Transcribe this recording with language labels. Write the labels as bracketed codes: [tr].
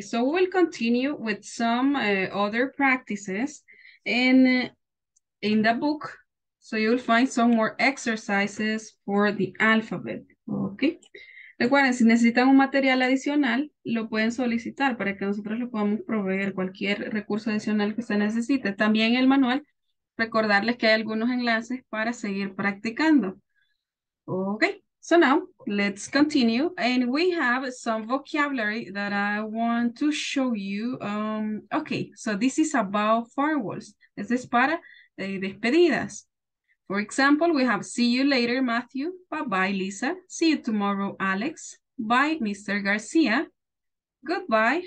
[en] So we will continue with some other practices in the book. So you'll find some more exercises for the alphabet. Okay. [es] Recuerden, si necesitan un material adicional, lo pueden solicitar para que nosotros lo podamos proveer cualquier recurso adicional que se necesite. También el manual, recordarles que hay algunos enlaces para seguir practicando. [en] Okay, so now let's continue. And we have some vocabulary that I want to show you. Okay, so this is about farewells. This is [es] para despedidas. [en] For example, we have see you later, Matthew. Bye-bye, Lisa. See you tomorrow, Alex. Bye, Mr. Garcia. Goodbye.